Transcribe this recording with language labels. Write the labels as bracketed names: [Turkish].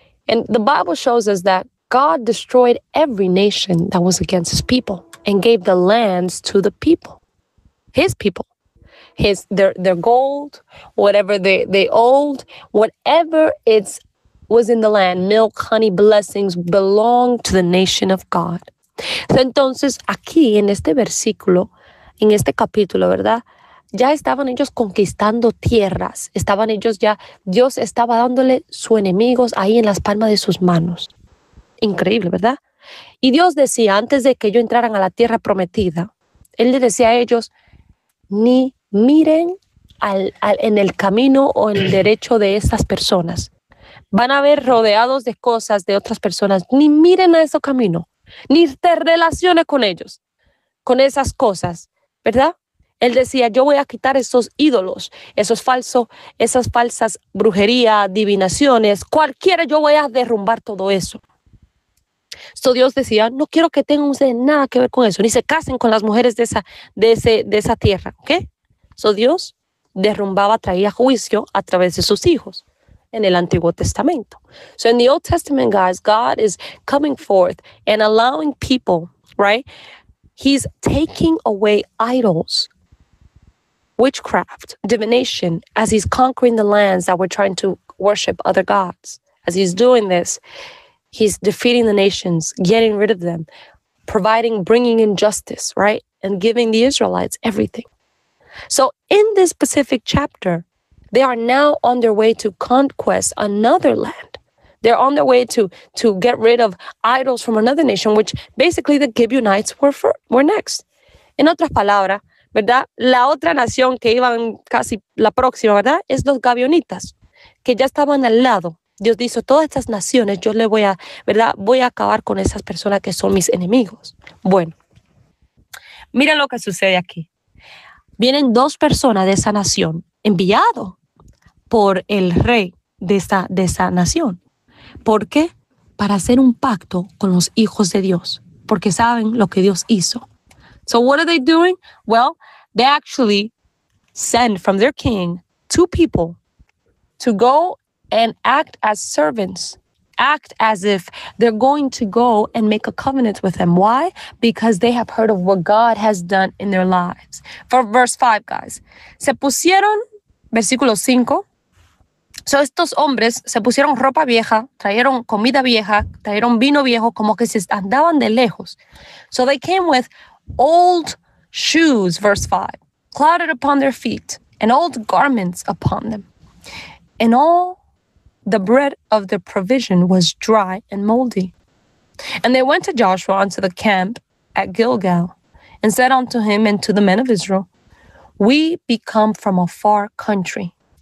[English] And the Bible shows us that God destroyed every nation that was against his people and gave the lands to the people, his people, their gold, whatever they owed, whatever it's was in the land, milk, honey, blessings belong to the nation of God. [Spanish] So entonces aquí en este versículo, en este capítulo, ¿verdad? Ya estaban ellos conquistando tierras. Estaban ellos ya, Dios estaba dándole sus enemigos ahí en las palmas de sus manos. Increíble, ¿verdad? Y Dios decía, antes de que ellos entraran a la tierra prometida, Él les decía a ellos, ni miren en el camino o en el derecho de esas personas. Van a ver rodeados de cosas de otras personas. Ni miren a ese camino, ni te relaciones con ellos, con esas cosas, ¿verdad? Él decía, yo voy a quitar esos ídolos, esas falsas brujerías, adivinaciones, cualquiera, yo voy a derrumbar todo eso. So Dios decía, no quiero que tengan ustedes nada que ver con eso, ni se casen con las mujeres de esa tierra. ¿Okay? So Dios derrumbaba, traía juicio a través de sus hijos en el Antiguo Testamento. [English] So in the Old Testament, guys, God is coming forth and allowing people, right? He's taking away idols, witchcraft, divination, as he's conquering the lands that were trying to worship other gods. As he's doing this, he's defeating the nations, getting rid of them, providing, bringing in justice, right? And giving the Israelites everything. So in this specific chapter, they are now on their way to conquest another land. They're on their way to get rid of idols from another nation, which basically the Gibeonites were next. [Spanish] En otras palabras, ¿verdad? La otra nación que iban casi la próxima, ¿verdad? Es los Gabionitas, que ya estaban al lado. Dios dice, todas estas naciones, yo le voy a, ¿verdad? Voy a acabar con esas personas que son mis enemigos. Bueno, mira lo que sucede aquí. Vienen dos personas de esa nación, enviado por el rey de esa nación. ¿Por qué? Para hacer un pacto con los hijos de Dios, porque saben lo que Dios hizo. [English] So what are they doing? Well, they actually send from their king two people to go and act as servants, act as if they're going to go and make a covenant with them. Why? Because they have heard of what God has done in their lives. For verse 5, guys. [Spanish] Se pusieron, versículo 5. So estos hombres se pusieron ropa vieja, trajeron comida vieja, trajeron vino viejo, como que se andaban de lejos. [English] So they came with old shoes, verse 5, clouded upon their feet, and old garments upon them. And all the bread of the provision was dry and moldy. And they went to Joshua unto the camp at Gilgal, and said unto him and to the men of Israel, we be come from a far country.